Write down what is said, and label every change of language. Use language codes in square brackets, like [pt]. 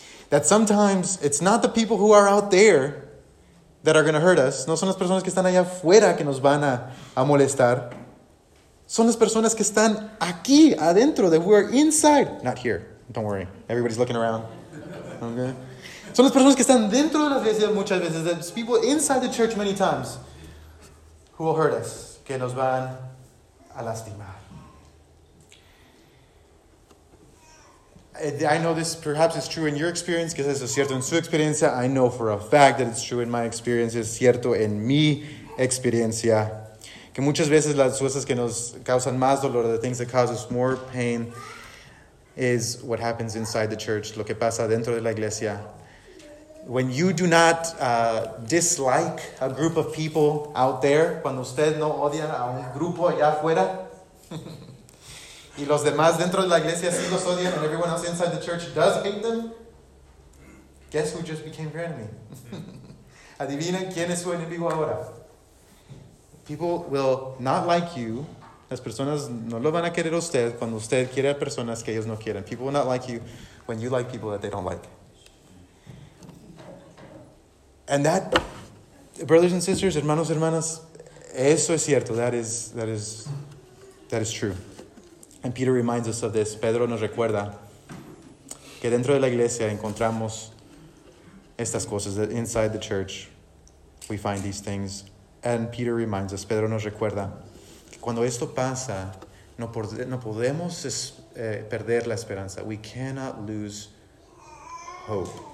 [en] That sometimes it's not the people who are out there that are going to hurt us. [es] No son las personas que están allá afuera que nos van a molestar. Son las personas que están aquí, adentro, [en] that we're inside. Not here. Don't worry. Everybody's looking around. Okay. [es] Son las personas que están dentro de la iglesia muchas veces. [en] That's people inside the church many times who will hurt us, [es] que nos van a lastimar. [en] I know this perhaps is true in your experience, [es] que eso es cierto en su experiencia. [en] I know for a fact that it's true in my experience, [es] es cierto en mi experiencia, que muchas veces las cosas que nos causan más dolor, [en] the things that cause us more pain, is what happens inside the church, [es] lo que pasa dentro de la iglesia. [en] When you do not dislike a group of people out there, [es] cuando usted no odia a un grupo allá afuera, y los demás dentro de la iglesia sí los odian, [en] and everyone else inside the church does hate them, guess who just became your enemy? [es] Adivinen quién es su enemigo ahora. [en] People will not like you. [es] Las personas no lo van a querer a usted cuando usted quiere a personas que ellos no quieren. [en] People will not like you when you like people that they don't like. And that, brothers and sisters, [es] hermanos, hermanas, eso es cierto. [en] That is true. And Peter reminds us of this. [es] Pedro nos recuerda que dentro de la iglesia encontramos estas cosas. [en] That inside the church, we find these things. And Peter reminds us, [es] Pedro nos recuerda, que cuando esto pasa, no podemos perder la esperanza. [en] We cannot lose hope.